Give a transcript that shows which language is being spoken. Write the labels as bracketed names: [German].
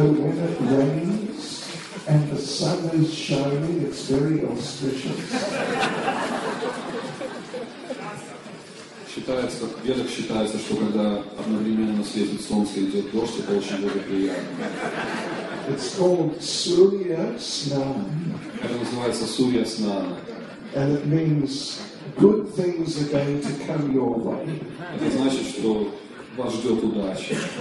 [English] And the sun is shining, it's very auspicious. [Russian] Считается, в ведах считается, что когда одновременно светит солнце и идет дождь, это очень благоприятно. [English] It's called Surya Snana. [Russian] Это называется Surya Snana. [English] And it means good things are going to come your way. [Russian] Это значит, что вас ждет удача.